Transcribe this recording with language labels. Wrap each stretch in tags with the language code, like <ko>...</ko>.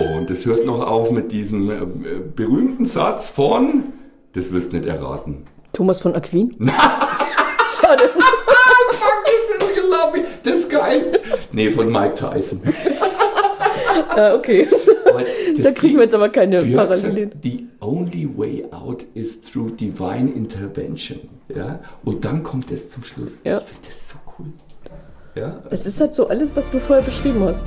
<de>Es hört noch auf mit diesem berühmten Satz von, das wirst du nicht erraten. Thomas von Aquin? Schade.</de> <en>Fuck it till you love me.</en> <de>Das ist geil. Nee, von Mike Tyson. Okay. Da kriegen wir jetzt aber keine Parallelen.</de> <en>The only way out is through divine intervention.</en> <de>Ja? Und dann kommt es zum Schluss. Ja. Ich finde das so cool. Ja? Es ist halt so alles, was du vorher beschrieben hast.</de>